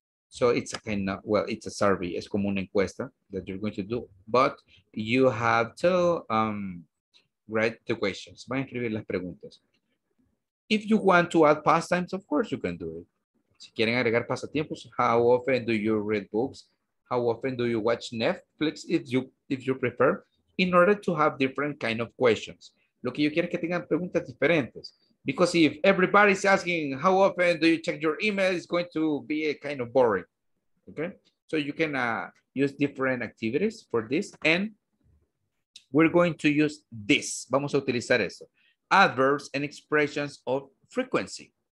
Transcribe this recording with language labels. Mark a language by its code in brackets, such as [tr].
[en] So it's a kind of, it's a survey. [es] Es como una encuesta [en] that you're going to do, but you have to write the questions. [es] Va a escribir las preguntas. [en] If you want to add pastimes, of course you can do it. [es] Si quieren agregar pasatiempos, [en] how often do you read books? How often do you watch Netflix, if you prefer, in order to have different kind of questions. [es] Lo que yo quiero es que tengan preguntas diferentes. [en] Because if everybody's asking, how often do you check your email, it's going to be a kind of boring, okay? So you can use different activities for this, and we're going to use this. [es] Vamos a utilizar eso. [en] Adverbs and expressions of frequency.